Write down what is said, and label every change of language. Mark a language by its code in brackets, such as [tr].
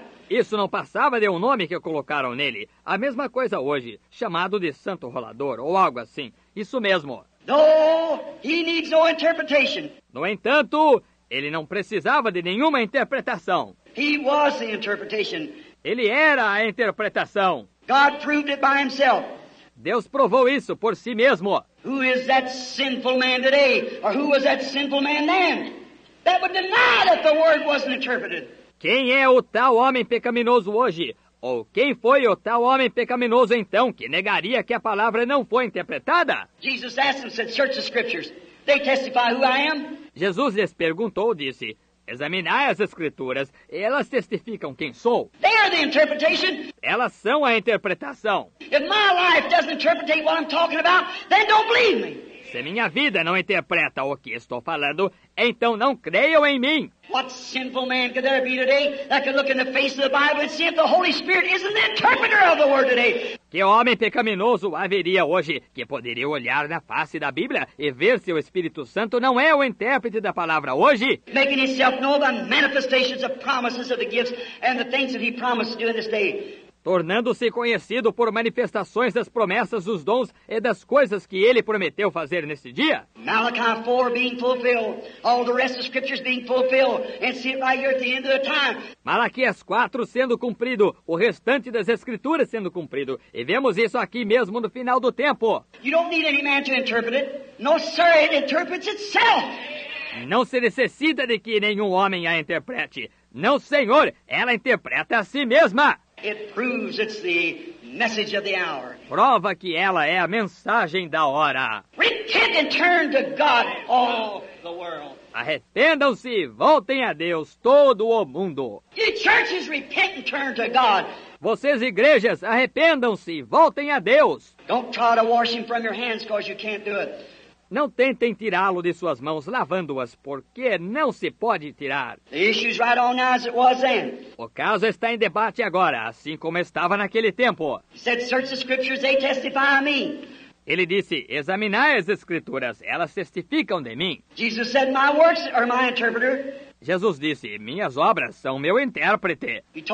[pt] Isso não passava de um nome que colocaram nele. A mesma coisa hoje, chamado de Santo Rolador ou algo assim. Isso mesmo. [en] No, he needs no interpretation. [pt] No entanto, ele não precisava de nenhuma interpretação. [en] He was the interpretation. [pt] Ele era a interpretação. [en] God proved it by himself. [pt] Deus provou isso por si mesmo. [en] Who is that sinful man today? Or who was that sinful man then? That would deny that the word wasn't interpreted. [pt] Quem é o tal homem pecaminoso hoje? Ou quem foi o tal homem pecaminoso então que negaria que a palavra não foi interpretada? [en] Jesus asked them, said, "Search the scriptures. They testify who I am." [pt] Jesus lhes perguntou, disse: examinai as escrituras, elas testificam quem sou. [en] They are the interpretation. [pt] Elas são a interpretação. [en] If my life doesn't interpret what I'm talking about, then don't believe me. [pt] Se minha vida não interpreta o que estou falando, então não creiam em mim. [en] What sinful man could there be today that could look in the face of the Bible and see if the Holy Spirit isn't the interpreter of the word today? [pt] Que homem pecaminoso haveria hoje que poderia olhar na face da Bíblia e ver se o Espírito Santo não é o intérprete da palavra hoje? [en] Making himself known by manifestations of promises of the gifts and the things that he promised to do in this day. [pt] Tornando-se conhecido por manifestações das promessas, dos dons e das coisas que ele prometeu fazer neste dia. [en] Malachi 4 being fulfilled, all the rest of the scriptures being fulfilled, and see it right here at the end of the time. [pt] Malaquias 4 sendo cumprido, o restante das escrituras sendo cumprido, e vemos isso aqui mesmo no final do tempo. [en] You don't need any man to interpret it. No, sir, it interprets itself. [pt] Não se necessita de que nenhum homem a interprete. Não, senhor, ela interpreta a si mesma. [en] It proves it's the message of the hour. [pt] Prova que ela é a mensagem da hora. [en] Repent and turn to God, all the world. [pt] Arrependam-se, voltem a Deus, todo o mundo. [en] You churches, repent and turn to God. [pt] Vocês, igrejas, arrependam-se, voltem a Deus. [en] Don't try to wash him from your hands because you can't do it. [pt] Não tentem tirá-lo de suas mãos lavando-as, porque não se pode tirar. [en] The issue's right on as it was then. [pt] O caso está em debate agora, assim como estava naquele tempo. [en] He said, "Search the scriptures, they testify of me." [pt] Ele disse: examinai as escrituras, elas testificam de mim. [en] Jesus said, "My works are my interpreter." [pt] Jesus disse: minhas obras são meu intérprete.